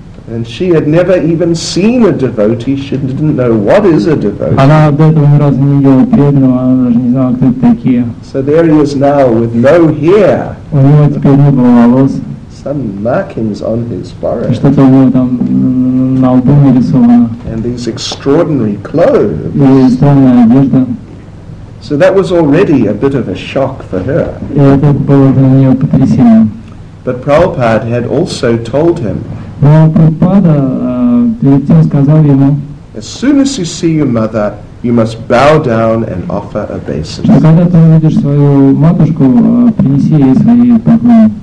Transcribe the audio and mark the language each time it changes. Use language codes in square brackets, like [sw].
[en] And she had never even seen a devotee. She didn't know what is a devotee. [ru] Она до этого ни разу не видела преданного, она даже не знала, кто это такие. [en] So there he is now with no hair. [ru] У него теперь не было волос. [en] Some markings on his forehead. [ru] Что-то у него там на лбу нарисовано. [en] And these extraordinary clothes. [ru] И странная одежда. [en] So that was already a bit of a shock for her. [ru] И это было для нее потрясением. [en] But Prabhupada had also told him. [ru] Прабхупада перед тем сказал ему. [en] As soon as you see your mother, you must bow down and offer obeisance. [ru] Когда ты увидишь свою матушку, принеси ей свои поклоны.